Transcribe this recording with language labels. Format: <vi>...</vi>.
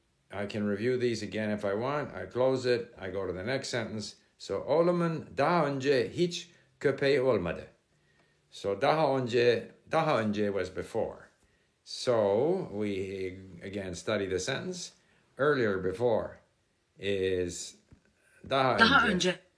<en>I can review these again if I want. I close it. I go to the next sentence.</en> <tr>So, oğlumun daha önce hiç köpeği olmadı.</tr> <en>So, daha önce was before. So, we again study the sentence. Earlier, before, is daha önce.</en>